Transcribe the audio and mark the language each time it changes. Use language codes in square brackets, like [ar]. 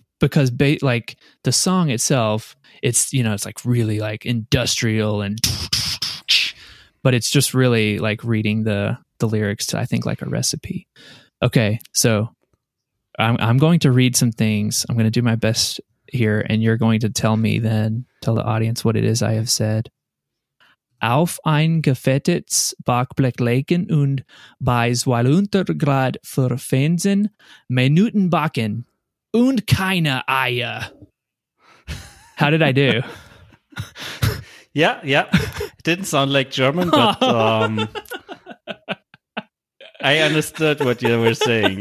[en] Because like the song itself, it's like really like industrial and. But it's just really like reading the lyrics to, I think, like a recipe. Okay, so I'm going to read some things. I'm going to do my best here, and you're going to tell the audience what it is I have said. [de] Auf ein gefettetes Backblech legen und bei 200 Grad für 15 Minuten backen und keine Eier. [en] How did I do? Yeah. It didn't sound like German, but I understood what you were saying.